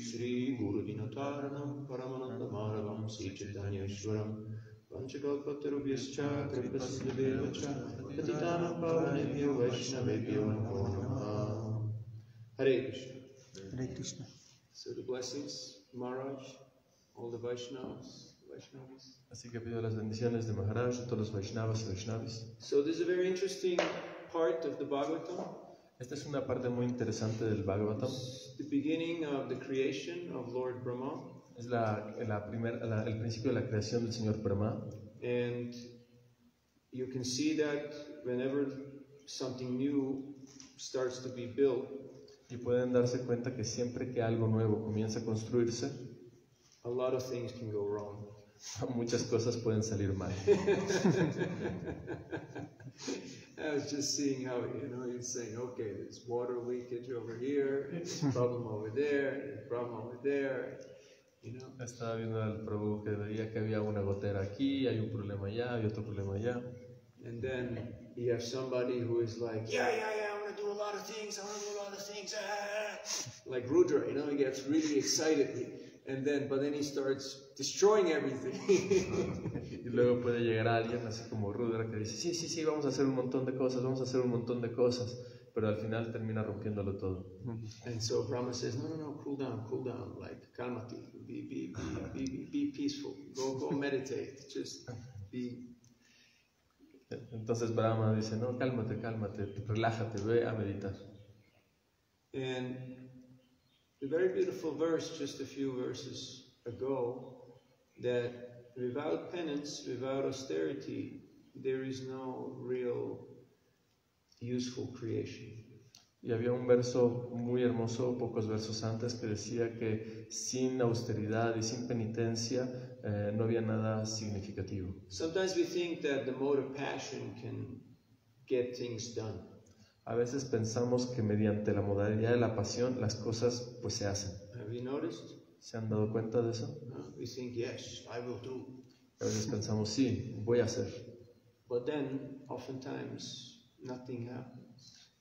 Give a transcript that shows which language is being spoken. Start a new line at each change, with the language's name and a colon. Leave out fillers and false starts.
Sanskrit: Sri Guru Dinatarnam, Paramananda Madhavam, Sri Chaitanya Ishwaram, Panchakalpatarubhyascha, Kripasyadevacha, Patitanam Pavanebhyo Vaishnavebhyo Namo Namah. Hare Krishna. Hare Krishna.
English: So the blessings, Maharaj, all the Vaishnavas.
Spanish: Así que pido las bendiciones de Maharaj a todos los Vaishnavas y Vaishnavis.
English: So this is a very interesting part of the Bhagavatam.
Spanish: Esta es una parte muy interesante del Bhagavatam.
English: The beginning of the creation of Lord Brahma.
Spanish: Es el principio de la creación del Señor Brahma.
English: And you can see that whenever something new starts to be built.
Spanish: Y pueden darse cuenta que siempre que algo nuevo comienza a construirse,
English: a lot of things can go wrong.
Spanish: Muchas cosas pueden salir mal.
English: I was just seeing how, you know, you're saying, okay, there's water leakage over here, there's a problem over there, there's a problem over there, you know.
Spanish: Estaba viendo al Prabhu que veía que había una gotera aquí, hay un problema allá, hay otro problema allá.
English: And then you have somebody who is like, yeah, yeah, yeah, I want to do a lot of things, I want to do a lot of things, like Rudra, you know, he gets really excited. But then he starts destroying everything.
Spanish: Y luego puede llegar alguien así como Rudra que dice, sí, sí, sí, vamos a hacer un montón de cosas, vamos a hacer un montón de cosas, pero al final termina rompiéndolo todo.
English: And so Brahma says, no, cool down, like,
Spanish: cálmate,
English: be peaceful, go meditate, just be.
Spanish: Entonces Brahma dice, no, cálmate, relájate, ve a meditar.
English: And the very beautiful verse, just a few verses ago, that without penance, without austerity, there is no real useful creation.
Spanish: Y había un verso muy hermoso, pocos versos antes, que decía que sin austeridad y sin penitencia, no había nada significativo.
English: Sometimes we think that the mode of passion can get things done.
Spanish: A veces pensamos que mediante la modalidad de la pasión las cosas pues se hacen.
English: Have you noticed?
Spanish: ¿Se han dado cuenta de eso?
English: We think, yes, I will do.
Spanish: A veces pensamos, sí, voy a hacer.
English: But then, oftentimes, nothing happens.